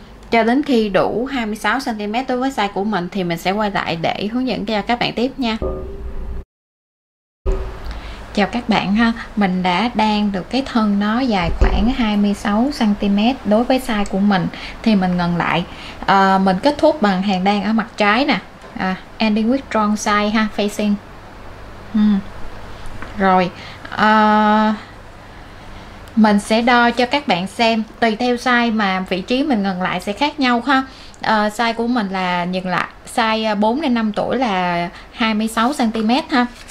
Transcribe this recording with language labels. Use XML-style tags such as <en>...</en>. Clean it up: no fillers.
<vi>Cho đến khi đủ 26 cm đối với size của mình thì mình sẽ quay lại để hướng dẫn cho các bạn tiếp nha. Chào các bạn ha, mình đã đan được cái thân nó dài khoảng 26 cm đối với size của mình, thì mình ngừng lại. Mình kết thúc bằng hàng đan ở mặt trái nè.</vi> <en>Ending with wrong side ha, facing.</en> <vi>Rồi, mình sẽ đo cho các bạn xem, tùy theo size mà vị trí mình ngừng lại sẽ khác nhau ha. Size của mình là dừng lại size 4 đến 5 tuổi là 26 cm ha.</vi>